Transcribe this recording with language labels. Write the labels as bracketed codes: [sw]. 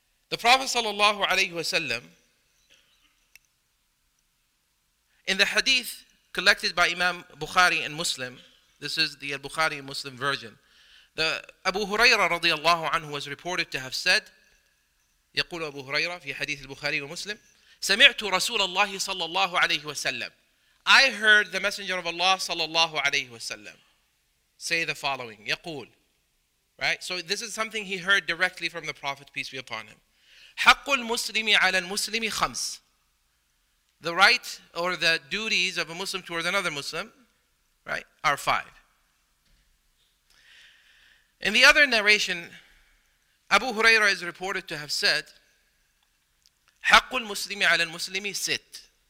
[en] The Prophet sallallahu alayhi wasallam, in the hadith collected by Imam Bukhari and Muslim, this is the Bukhari and Muslim version, the Abu Hurairah radiallahu anhu was reported to have said, [ar] يقول أبو هريرة في حديث البخاري ومسلم, سمعت رسول الله صلى الله عليه وسلم, [en] I heard the Messenger of Allah صلى الله عليه وسلم say the following, يقول, right? So this is something he heard directly from the Prophet, peace be upon him. [ar] حق المسلم على المسلم خمس. [en] The right or the duties of a Muslim towards another Muslim, right, are five. In the other narration, Abu Hurairah is reported to have said, [ar] حق المسلم على المسلم ست.